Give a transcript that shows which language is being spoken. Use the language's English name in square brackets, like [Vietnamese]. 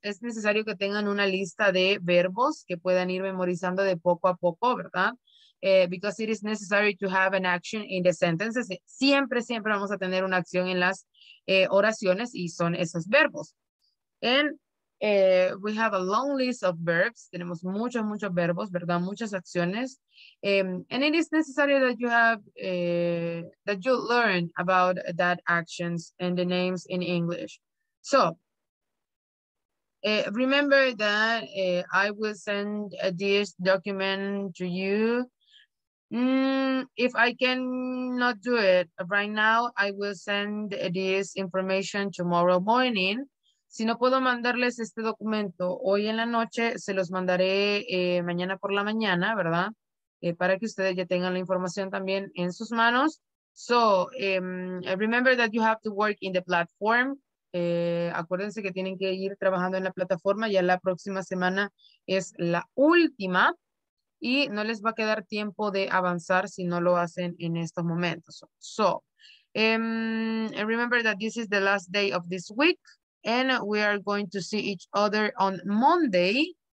[Spanish] Es necesario que tengan una lista de verbos que puedan ir memorizando de poco a poco, ¿verdad? [English] Because it is necessary to have an action in the sentences. [Spanish] Siempre, siempre vamos a tener una acción en las oraciones y son esos verbos. [English] And we have a long list of verbs. [Spanish] Tenemos muchos, muchos verbos, ¿verdad? Muchas acciones. [English] And it is necessary that you have, that you learn about that actions and the names in English. So, remember that I will send this document to you. If I cannot do it right now, I will send this information tomorrow morning. [Spanish] Si no puedo mandarles este documento hoy en la noche, se los mandaré mañana por la mañana, ¿verdad? Para que ustedes ya tengan la información también en sus manos. [English] So, remember that you have to work in the platform. [Spanish] Acuérdense que tienen que ir trabajando en la plataforma. Ya la próxima semana es la última. Y no les va a quedar tiempo de avanzar si no lo hacen en estos momentos. [English] So, remember that this is the last day of this week. And we are going to see each other on Monday.